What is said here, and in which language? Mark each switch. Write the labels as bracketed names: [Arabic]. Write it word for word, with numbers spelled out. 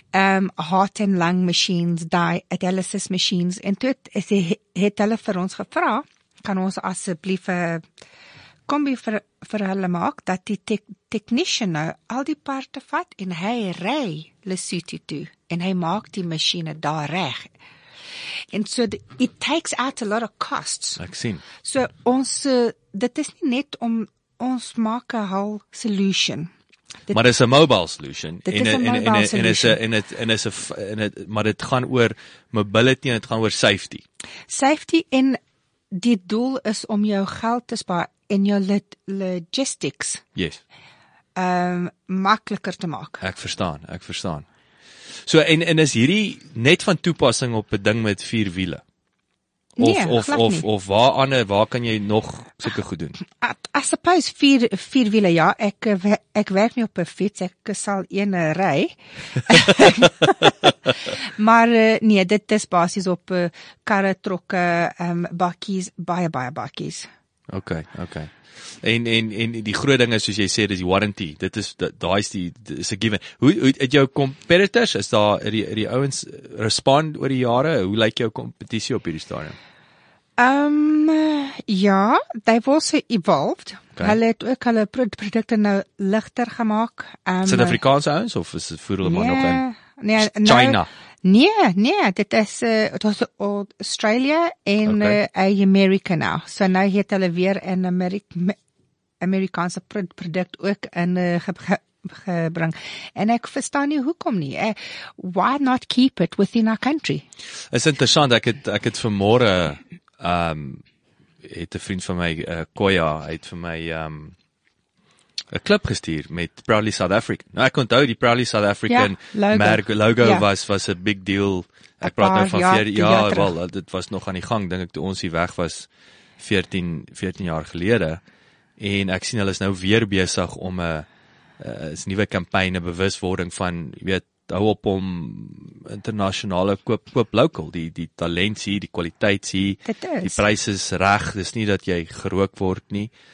[English] Um, heart and lung machines, dialysis machines. [Afrikaans] En toe het, het hulle vir ons gevra, kan ons asseblief 'n kombi vir, vir hulle maak, dat die te, technician nou al die parte vat, en hy ry Lesotho toe, en hy maak die machine daar reg. En so, [English] the, it takes out a lot of costs. [Afrikaans] Ek sien. So, ons, dit is nie net om, ons maak 'n [English] whole solution. [Afrikaans] Dit, maar dit is 'n mobile solution. Dit is 'n mobile solution. En dit, en dit, en dit, maar dit gaan oor mobility, en dit gaan oor safety. Safety, en die doel is om jou geld te spaar, en jou log- logistics [English] yes. [Afrikaans] um, makliker te maak. Ek verstaan, ek verstaan. So, en, en is hierdie net van toepassing op 'n ding met vier wiele? Of, nee, of, glad of, nie. Of waar ander, waar kan jy nog sulke goed doen? [English] I suppose [Afrikaans] vier, vier wiele, ja. Ek, ek werk nie op 'n fiets, ek sal een ry. maar nee, dit is basies op karre, trokke, um, bakkies, baie, baie bakkies. Okay, okay. En en en die groot ding is soos jy sê, dis die warranty. Dit is daai is die is 'n given. Hoe hoe het jou competitors, is daar die die ouens respond oor die jare? Hoe lyk jou kompetisie op hierdie stadium? [English] Ehm um, ja, they've also evolved. Okay. [Afrikaans] Hulle het ook hulle produkte nou ligter gemaak. Ehm um, Suid-Afrikaanse ouens of is dit voer hulle maar nog in nee, China? Nee, nee, dit is uh, dit was Australia en okay. uh, Amerika nou. So nou het hulle weer 'n Amerik Amerikaanse produk ook in uh, ge ge gebring. En ek verstaan nie hoekom nie. [English] Uh, why not keep it within our country? [Afrikaans] Is interessant. Ek het ek het vanmôre um het 'n vriend van my uh, Koya, hy het vir my um 'n klip gestuur met Proudly South African. Nou ek onthou die Proudly South African ja, logo. merk logo ja. was was 'n [English] big deal. [Afrikaans] Ek praat nou van veertien jaar, ja, wel, dit was nog aan die gang dink ek toe ons hier weg was veertien veertien jaar gelede en ek sien hulle is nou weer besig om 'n uh, is nuwe kampanje bewuswording van weet hou op om internasionale koop koop local, die die talent hier, die kwaliteit hier, die pryse is reg, dis nie dat jy gerook word nie.